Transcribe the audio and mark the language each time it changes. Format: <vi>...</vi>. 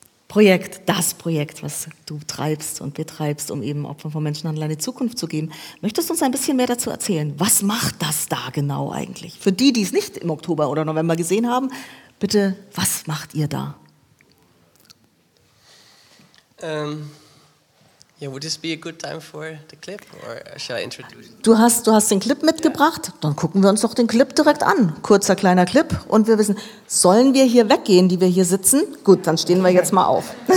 <de>Projekt, das Projekt, was du treibst und betreibst, um eben Opfern von Menschenhandel eine Zukunft zu geben. Möchtest du uns ein bisschen mehr dazu erzählen? Was macht das da genau eigentlich? Für die, die es nicht im Oktober oder November gesehen haben, bitte, was macht ihr da?</de> <en>Yeah, would this be a good time for the clip, or shall I introduce?</en> <de>Du hast den Clip mitgebracht. Yeah. Dann gucken wir uns doch den Clip direkt an. Kurzer kleiner Clip, und wir wissen: Sollen wir hier weggehen, die wir hier sitzen? Gut, dann stehen wir jetzt mal auf.</de>